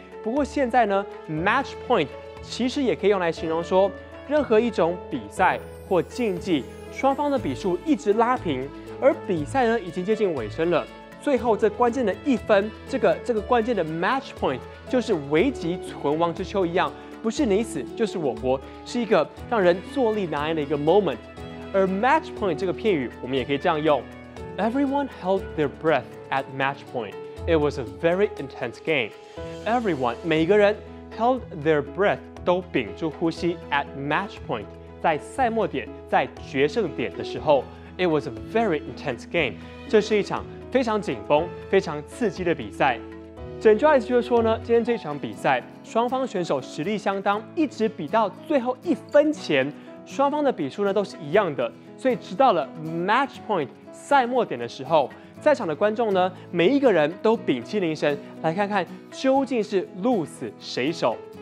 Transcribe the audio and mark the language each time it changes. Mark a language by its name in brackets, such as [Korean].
[Chinese] 不过现在呢， match point 其实也可以用来形容说任何一种比赛或竞技双方的比数一直拉平，而比赛呢已经接近尾声了，最后这关键的一分，这个关键的 match point 就是危急存亡之秋一样，不是你死就是我活，是一个让人坐立难安的一个 moment。而 match point 这个片语我们也可以这样用， Everyone held their breath at match point. [English] It was a very intense game. Everyone 每个人 held their breath 都屏住呼吸 at match point，在赛末点，在决胜点的时候， It was a very intense game. [Chinese] 这是一场非常紧绷非常刺激的比赛。整句话意思就是说呢，今天这场比赛双方选手实力相当，一直比到最后一分钱，双方的比数呢都是一样的，所以直到了 match point 赛末点的时候，在场的观众呢每一个人都屏气凝神来看看究竟是鹿死谁手。